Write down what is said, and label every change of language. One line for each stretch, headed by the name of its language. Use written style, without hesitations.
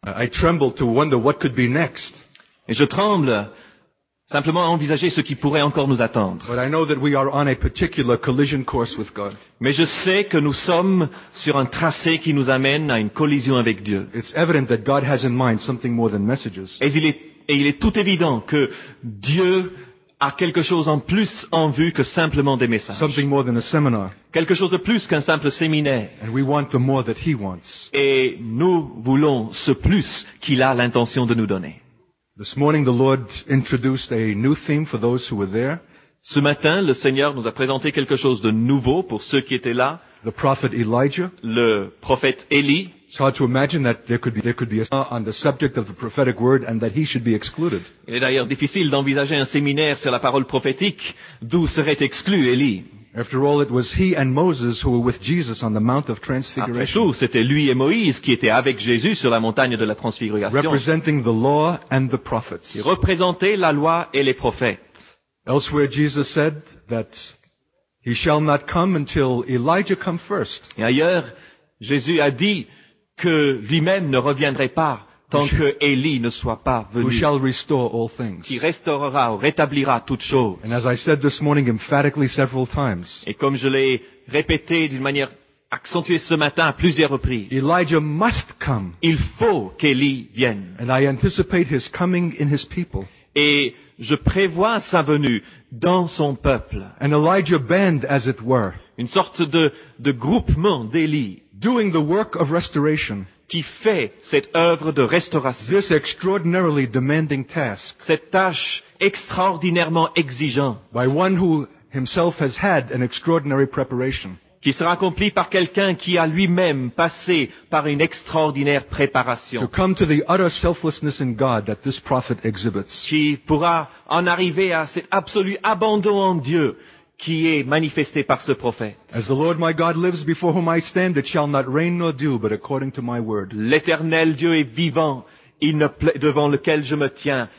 English: I tremble to wonder what could be next.
French: Et je tremble simplement à envisager ce qui pourrait encore nous attendre.
English: But I know that we are on a particular collision course with God.
French: Mais je sais que nous sommes sur un tracé qui nous amène à une collision avec Dieu.
English: It's evident that God has in mind something more than messages.
French: Et il est tout évident que Dieu a quelque chose en plus en vue que simplement des messages.
English: Something more than a seminar.
French: Quelque chose de plus qu'un simple séminaire.
English: And we want the more that he wants.
French: Et nous voulons ce plus qu'il a l'intention de nous donner.
English: This morning the Lord introduced a new theme for those who were there.
French: Ce matin, le Seigneur nous a présenté quelque chose de nouveau pour ceux qui étaient là.
English: The prophet Elijah.
French: Le prophète Élie.
English: It's hard to imagine that there could be a seminar on the subject of the prophetic word and that he should be excluded.
French: Il est d'ailleurs difficile d'envisager un séminaire sur la parole prophétique d'où serait exclu Élie.
English: After all, it was he and Moses who were with Jesus on the Mount of Transfiguration.
French: Après tout, c'était lui et Moïse qui étaient avec Jésus sur la montagne de la Transfiguration.
English: Representing the law and the prophets.
French: Il représentait la loi et les prophètes.
English: Elsewhere, Jesus said that he shall not come until Elijah come first.
French: Et ailleurs, Jésus a dit que lui-même ne reviendrait pas tant que Élie ne soit pas venu.
English: Who shall restore all things.
French: Qui restaurera ou rétablira toutes choses.
English: And as I said this morning emphatically several times.
French: Et comme je l'ai répété d'une manière accentuée ce matin à plusieurs reprises.
English: Elijah must come.
French: Il faut qu'Élie vienne.
English: And I anticipate his coming in his people.
French: Et je prévois sa venue dans son peuple.
English: An Elijah band, as it were.
French: Une sorte de groupement d'Élie.
English: Doing the work of restoration.
French: Qui fait cette œuvre de restauration.
English: This extraordinarily demanding task.
French: Cette tâche extraordinairement exigeante.
English: By one who himself has had an extraordinary preparation.
French: Qui sera accomplie par quelqu'un qui a lui-même passé par une extraordinaire préparation.
English: To come to the utter selflessness in God that this prophet exhibits.
French: Qui pourra en arriver à cet absolu abandon en Dieu. Qui est manifesté par ce prophète.
English: As the Lord my God lives before whom I stand, it shall not rain nor dew, but according to my word.
French: L'Éternel Dieu est vivant, devant lequel je me tiens.